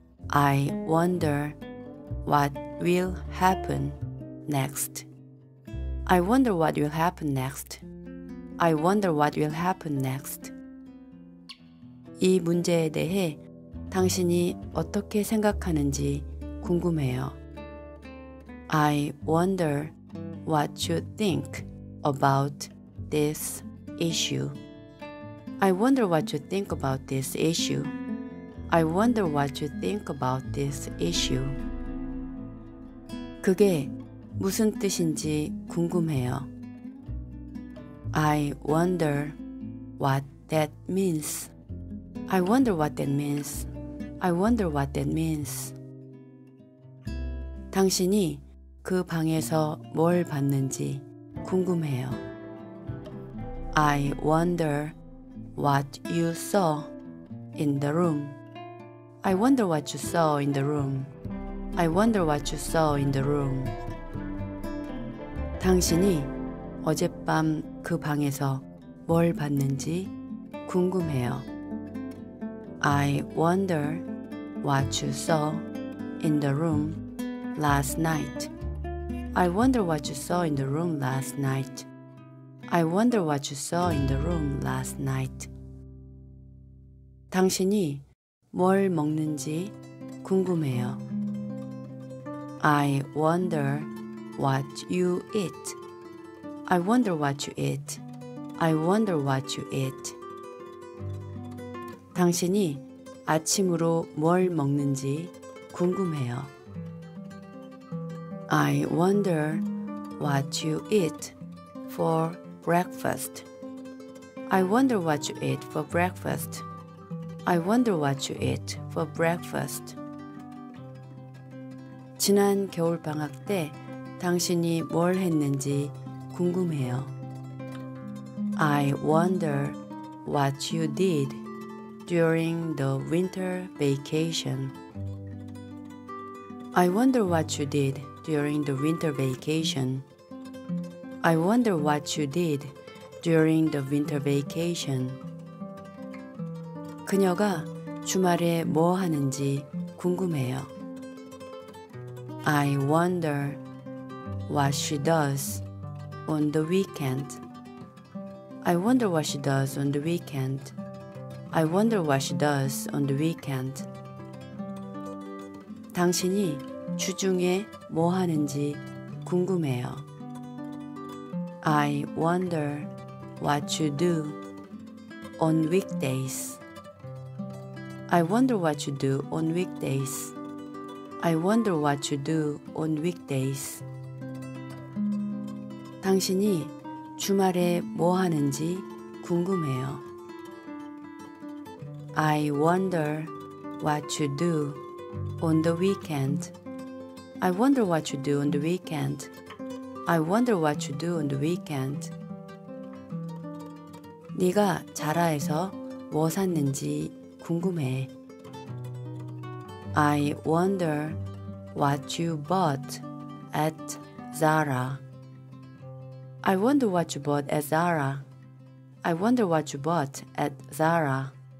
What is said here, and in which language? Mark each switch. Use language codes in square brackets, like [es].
[en] I wonder what will happen next. I wonder what will happen next. I wonder what will happen next. [ko] 이 문제에 대해 당신이 어떻게 생각하는지 궁금해요. [en] I wonder what you think about this issue. I wonder what you think about this issue. I wonder what you think about this issue. [ko] 그게 무슨 뜻인지 궁금해요. [en] I wonder what that means. I wonder what that means. I wonder what that means. [ko] 당신이 그 방에서 뭘 봤는지 궁금해요. [en] I wonder what you saw in the room. I wonder what you saw in the room. I wonder what you saw in the room. [ko] 당신이 어젯밤 그 방에서 뭘 봤는지 궁금해요. [en] I wonder what you saw in the room last night. I wonder what you saw in the room last night. I wonder what you saw in the room last night. [ko] 당신이 뭘 먹는지 궁금해요. [en] I wonder what you eat. I wonder what you eat. I wonder what you eat. [ko] 당신이 아침으로 뭘 먹는지 궁금해요. [en] I wonder what you eat for breakfast. I wonder what you eat for breakfast. I wonder what you eat for breakfast. [ko] 지난 겨울 방학 때 당신이 뭘 했는지 궁금해요. [en] I wonder what you did during the winter vacation. I wonder what you did during the winter vacation. I wonder what you did during the winter vacation. [ko] 그녀가 주말에 뭐 하는지 궁금해요. [en] I wonder what she does on the weekend. I wonder what she does on the weekend. I wonder what she does on the weekend. [ko] 당신이 주중에 뭐 하는지 궁금해요. [en] I wonder what you do on weekdays. I wonder what you do on weekdays. I wonder what you do on weekdays. [ko] 당신이 주말에 뭐 하는지 궁금해요. [en] I wonder what you do on the weekend. I wonder what you do on the weekend. I wonder what you do on the weekend. [ko] 네가 자라에서 뭐 샀는지 궁금해. [en] I wonder what you bought at Zara. I wonder what you bought at Zara. I wonder what you bought at Zara.